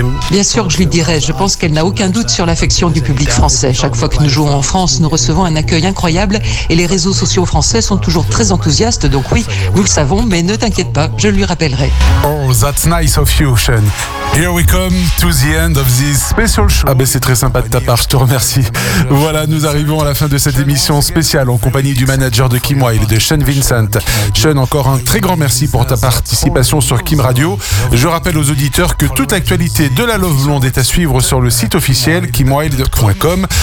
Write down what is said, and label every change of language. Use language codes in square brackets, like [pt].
[fr] Bien sûr que je lui dirai, je pense qu'elle n'a aucun doute sur l'affection du public français. Chaque fois que nous jouons en France, nous recevons un accueil incroyable et les réseaux sociaux français sont toujours très enthousiastes, donc oui, nous le savons, mais ne t'inquiète pas, je lui rappellerai. [en] Oh, that's nice of you, Sean. Here we come to the end of this special show. [fr] Ah ben c'est très sympa de ta part, je te remercie. Voilà, nous arrivons à la fin de cette émission spéciale en compagnie du manager de Kim Wilde, de Sean Vincent. Sean, encore un très grand merci pour ta participation sur Kim Radio. Je rappelle aux auditeurs que toute l'actualité de la Love Blonde est à suivre sur le site officiel kimwilde.com.